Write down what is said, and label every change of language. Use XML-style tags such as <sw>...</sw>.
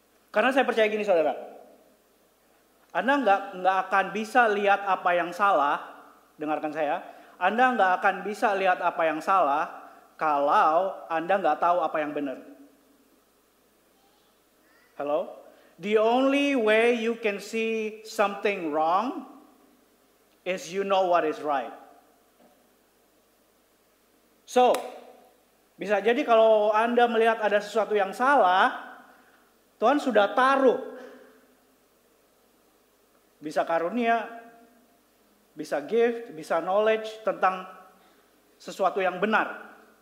<id>Karena saya percaya gini, saudara. Anda nggak akan bisa lihat apa yang salah, dengarkan saya. Anda nggak akan bisa lihat apa yang salah kalau Anda nggak tahu apa yang benar.</id> <en>Hello? The only way you can see something wrong is you know what is right. So,</en> <id>bisa jadi kalau Anda melihat ada sesuatu yang salah, Tuhan sudah taruh. Bisa karunia, bisa gift, bisa knowledge tentang sesuatu yang benar.</id>